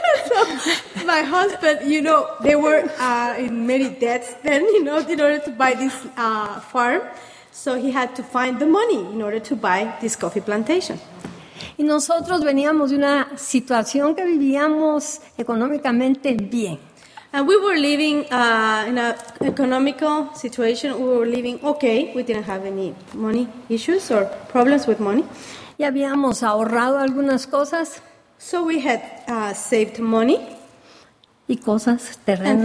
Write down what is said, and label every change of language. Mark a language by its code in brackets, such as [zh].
[en] So my husband, you know, they were in many debts then, you know, in order to buy this farm. So he had to find the money in order to buy this coffee plantation. [es] Y nosotros veníamos de una situación que vivíamos económicamente bien. [en] And we were living in an economical situation. We were living okay. We didn't have any money issues or problems with money. [es] Y habíamos ahorrado algunas cosas. [en] So we had saved money. [es] Y cosas, terrenos.